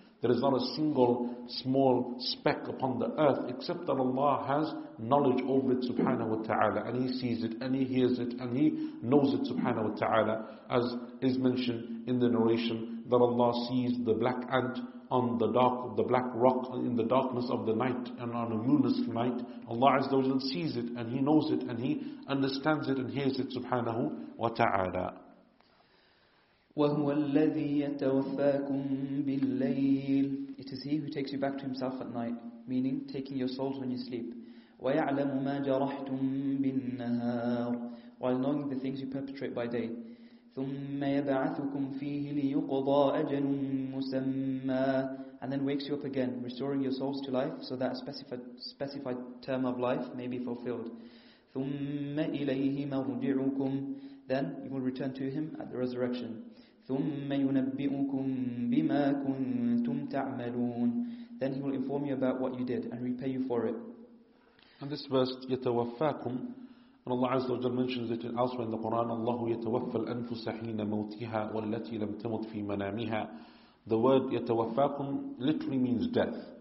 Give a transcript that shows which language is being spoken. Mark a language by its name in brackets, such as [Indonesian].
[English] There is not a single small speck upon the earth, except that Allah has knowledge over it subhanahu wa ta'ala, and he sees it and he hears it and he knows it subhanahu wa ta'ala, as is mentioned in the narration that Allah sees the black ant on the black rock in the darkness of the night and on a moonless night. Allah Azza wa Jalla sees it and he knows it and he understands it and hears it subhanahu wa ta'ala. [Arabic] وهو الذي يتوفاكم بالليل. [English] It is he who takes you back to himself at night, meaning taking your souls when you sleep. [Arabic] ويعلم ما جرحتم بالنهار, [English] while knowing the things you perpetrate by day. [Arabic] ثم يبعثكم فيه ليقضى أجل مسمى, [English] and then wakes you up again, restoring your souls to life so that a specified term of life may be fulfilled. [Arabic] ثم إليه مرجعكم, [English] then you will return to him at the resurrection. [Arabic] ثم ينبئكم بما كنتم تعملون, [English] then he will inform you about what you did and repay you for it. And this verse يتوفاكم, and Allah Azza wa Jal mentions it elsewhere in the Quran, [Arabic] اللَّهُ يَتَوَفَّى الْأَنفُسَ حِينَ مَوْتِهَا وَالَّتِي لَمْ تَمُتْ فِي مَنَامِهَا. [English] The word يَتَوَفَّاكُمْ literally means death.